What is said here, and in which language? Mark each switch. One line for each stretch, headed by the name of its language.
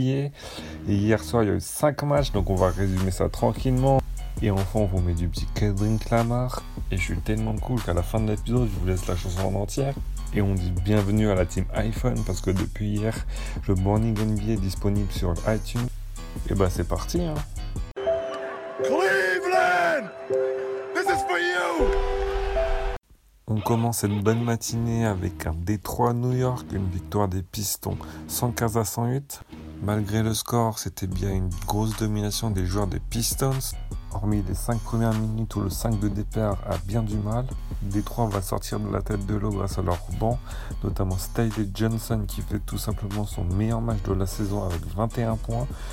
French: Et hier soir, il y a eu 5 matchs, donc on va résumer ça tranquillement. Et enfin, on vous met du petit Kendrick Lamar. Et je suis tellement cool qu'à la fin de l'épisode, je vous laisse la chanson en entière. Et on dit bienvenue à la team iPhone, parce que depuis hier, le Morning NBA est disponible sur iTunes. Et bah c'est parti hein.
English: Cleveland, this is for you.
French: On commence cette belle matinée avec un Détroit-New York, une victoire des Pistons 115 à 108. Malgré le score, c'était bien une grosse domination des joueurs des Pistons. Hormis les 5 premières minutes où le 5 de départ a bien du mal, Détroit va sortir de la tête de l'eau grâce à leur banc, notamment Stanley Johnson qui fait tout simplement son meilleur match de la saison avec 21 points.